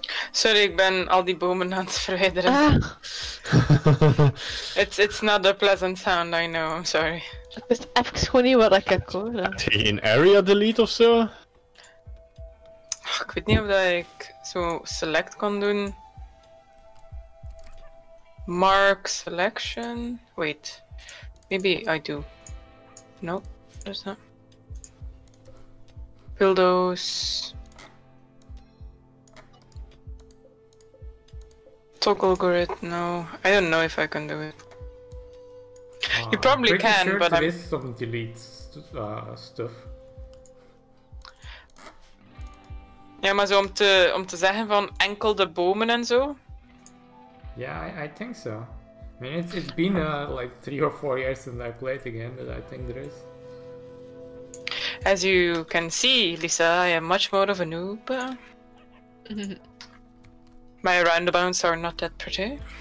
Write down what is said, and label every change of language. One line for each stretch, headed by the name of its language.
Dutch: Sorry, ik ben al die bomen aan het verwijderen.
English: It's not a pleasant sound, I know, I'm sorry.
Dutch: Ik wist even gewoon niet wat ik heb gehoord. Een area delete of zo? Ik weet niet of dat ik zo select kon doen.
English: Mark selection. Wait. Maybe I do. Nope, there's not. Buildos. Toggle grid, no. I don't know if I can do it. You probably can, sure, but there I'm... is some delete stuff.
Dutch: Ja, maar zo om te zeggen van enkel de bomen en zo.
English: Yeah, I think so. I mean, it's been like 3 or 4 years since I played again, but I think there is. As you can see, Lisa, I am much more of a noob. My roundabouts are not that pretty.